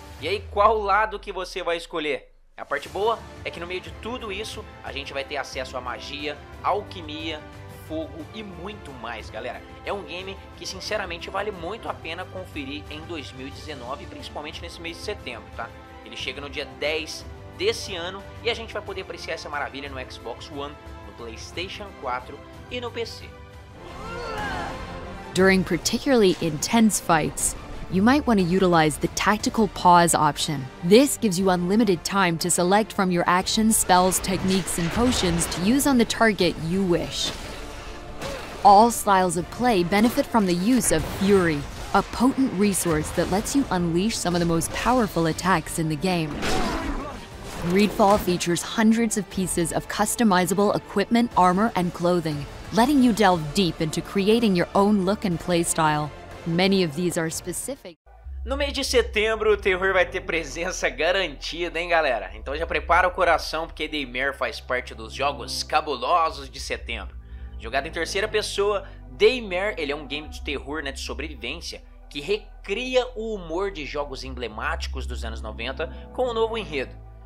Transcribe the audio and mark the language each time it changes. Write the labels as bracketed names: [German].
[Portuguese] E aí, qual lado que você vai escolher? A parte boa é que no meio de tudo isso, a gente vai ter acesso a magia, alquimia, fogo e muito mais, galera. É um game que, sinceramente, vale muito a pena conferir em 2019, principalmente nesse mês de setembro, tá? Ele chega no dia 10 desse ano e a gente vai poder apreciar essa maravilha no Xbox One, no PlayStation 4 e no PC. [English] During particularly intense fights, you might want to utilize the tactical pause option. This gives you unlimited time to select from your actions, spells, techniques, and potions to use on the target you wish. All styles of play benefit from the use of Fury, a potent resource that lets you unleash some of the most powerful attacks in the game. Greedfall features hundreds of pieces of customizable equipment, armor, and clothing, letting you delve deep into creating your own look and playstyle. Many of these are specific. [Portuguese] No mês de setembro, o terror vai ter presença garantida, hein, galera? Então já prepara o coração, porque The Mare faz parte dos jogos cabulosos de setembro. Jogado em terceira pessoa, The Mare, ele é um game de terror, né, de sobrevivência, que recria o humor de jogos emblemáticos dos anos 90 com um novo enredo.